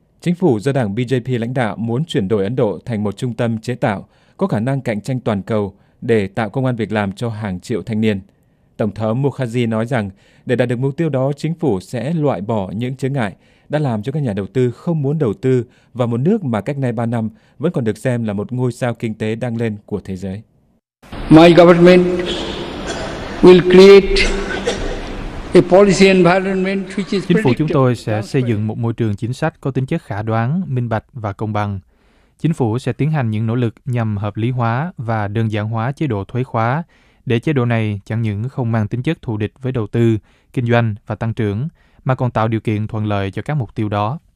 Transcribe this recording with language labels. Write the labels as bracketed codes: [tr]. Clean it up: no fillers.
[vi] Chính phủ do đảng BJP lãnh đạo muốn chuyển đổi Ấn Độ thành một trung tâm chế tạo có khả năng cạnh tranh toàn cầu để tạo công ăn việc làm cho hàng triệu thanh niên. Tổng thống Mukherjee nói rằng để đạt được mục tiêu đó, chính phủ sẽ loại bỏ những chướng ngại đã làm cho các nhà đầu tư không muốn đầu tư vào một nước mà cách nay 3 năm vẫn còn được xem là một ngôi sao kinh tế đang lên của thế giới. [en] My government will create a policy environment which is. [vi] Chính phủ chúng tôi sẽ xây dựng một môi trường chính sách có tính chất khả đoán, minh bạch và công bằng. Chính phủ sẽ tiến hành những nỗ lực nhằm hợp lý hóa và đơn giản hóa chế độ thuế khóa để chế độ này chẳng những không mang tính chất thù địch với đầu tư, kinh doanh và tăng trưởng, mà còn tạo điều kiện thuận lợi cho các mục tiêu đó.